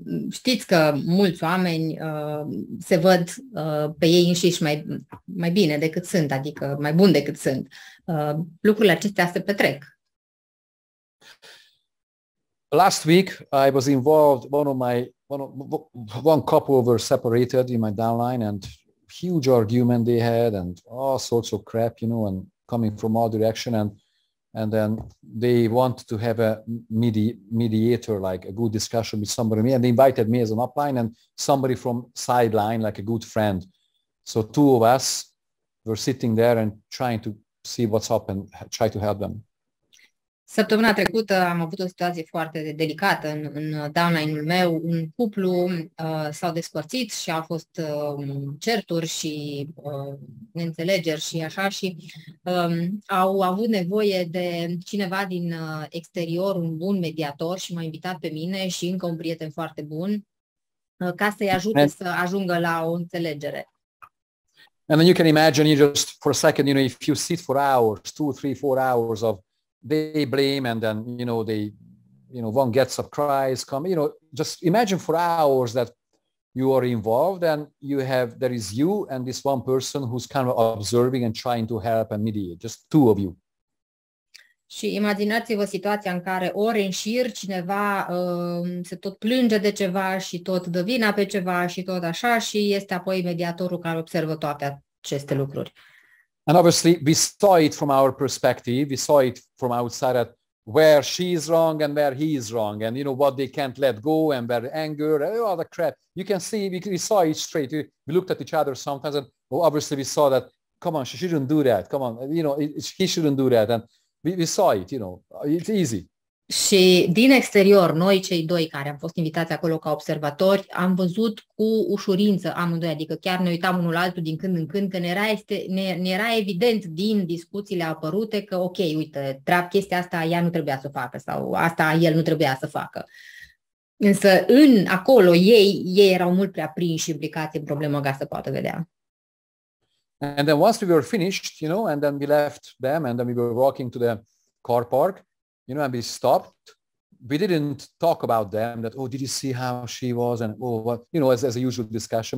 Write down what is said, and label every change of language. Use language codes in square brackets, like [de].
[ro] Știți că mulți oameni se văd pe ei înșiși mai bine decât sunt, adică mai bun decât sunt. Lucrurile acestea se petrec. [en] Last week I was involved one couple were separated in my downline and huge argument they had and all sorts of crap, you know, and coming from all direction and then they want to have a mediator, like a good discussion with somebody. And they invited me as an upline and somebody from sideline, like a good friend. So two of us were sitting there and trying to see what's up and try to help them. [ro] Săptămâna trecută am avut o situație foarte delicată în downline-ul meu. Un cuplu s-au despărțit și au fost certuri și neînțelegeri și așa și au avut nevoie de cineva din exterior, un bun mediator și m-a invitat pe mine și încă un prieten foarte bun ca să-i ajute să ajungă la o înțelegere. [en] And then you can imagine you just for a second, you know, if you sit for hours, 2, 3, 4 hours of they blame and then, you know, they, you know, one gets up, cries, come, you know, just imagine for hours that you are involved and you have, there is you and this one person who's kind of observing and trying to help and mediate, just two of you. [ro] Și imaginați-vă situația în care ori în șir cineva se tot plânge de ceva și tot dă vina pe ceva și tot așa și este apoi mediatorul care observă toate aceste lucruri. [en] And obviously we saw it from our perspective, we saw it from outside at where she is wrong and where he is wrong and you know what they can't let go and where anger and all the crap. You can see, we saw it straight, we looked at each other sometimes and obviously we saw that, come on, she shouldn't do that, come on, you know, he shouldn't do that and we saw it, you know, it's easy. [ro] Și din exterior, noi cei doi care am fost invitați acolo ca observatori, am văzut cu ușurință amândoi, adică chiar ne uitam unul altul din când în când, că ne era evident din discuțiile apărute că ok, uite, treaba chestia asta ea nu trebuia să facă sau asta el nu trebuia să facă. Însă în acolo ei erau mult prea prinși implicați în problemă ca să poată vedea. [en] And then once we were finished, you know, and then we left them and then we were walking to the car park. You know, and we stopped. We didn't talk about them. That oh, did you see how she was? And oh, what, you know, as a usual discussion.